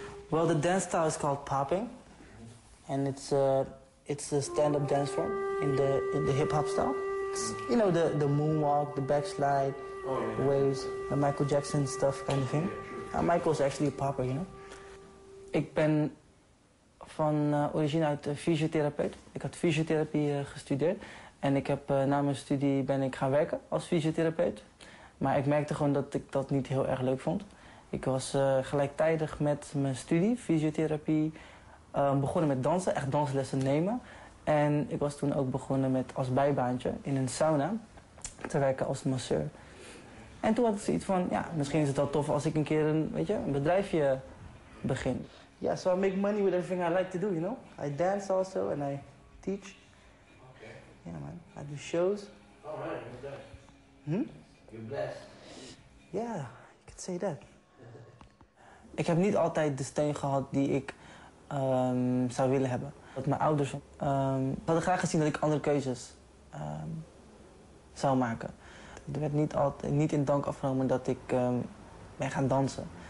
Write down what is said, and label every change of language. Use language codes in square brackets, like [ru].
[en] Well, the dance style is called popping. And it's a stand-up dance form in the hip-hop style. It's, you know, the moonwalk, the backslide, waves, the Michael Jackson stuff kind of thing. Michael's actually a popper, you know. [nl] Ik ben van origine uit fysiotherapeut. Ik had fysiotherapie gestudeerd. En ik heb na mijn studie ben ik gaan werken als fysiotherapeut. Maar ik merkte gewoon dat ik dat niet heel erg leuk vond. Ik was gelijktijdig met mijn studie, fysiotherapie, begonnen met dansen, echt danslessen nemen. En ik was toen ook begonnen met als bijbaantje in een sauna te werken als masseur. En toen had ik zoiets van, ja, misschien is het wel tof als ik een keer een bedrijfje begin. [en] Ja, yeah, so I make money with everything I like to do, you know? I dance also and I teach. Okay. Yeah, man, I do shows. All right, you're blessed. Hmm? You're blessed. Yeah, you could say that. [nl] Ik heb niet altijd de steun gehad die ik zou willen hebben. Dat mijn ouders hadden graag gezien dat ik andere keuzes zou maken. Het werd niet altijd niet in dank afgenomen dat ik ben gaan dansen.